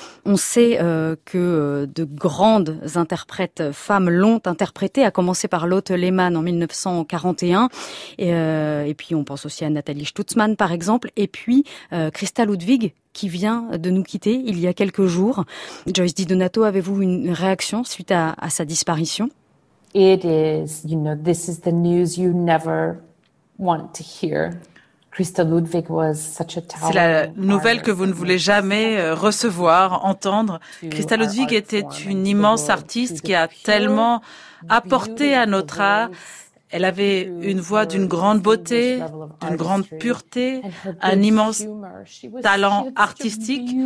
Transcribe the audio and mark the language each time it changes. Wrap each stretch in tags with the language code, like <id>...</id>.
<fr>On sait que de grandes interprètes femmes l'ont interprété, à commencer par Lotte Lehmann en 1941. Et puis on pense aussi à Nathalie Stutzmann par exemple. Et puis Christa Ludwig qui vient de nous quitter il y a quelques jours. Joyce DiDonato, avez-vous une réaction suite à sa disparition?</fr> <en>It is, you know, this is the news you never want to hear. Christa Ludwig was such a talented.</en> <fr>C'est la nouvelle que vous ne voulez jamais recevoir, entendre. Christa Ludwig était une immense artiste qui a tellement apporté à notre art. Elle avait une voix d'une grande beauté, d'une grande pureté, un immense talent artistique.</fr>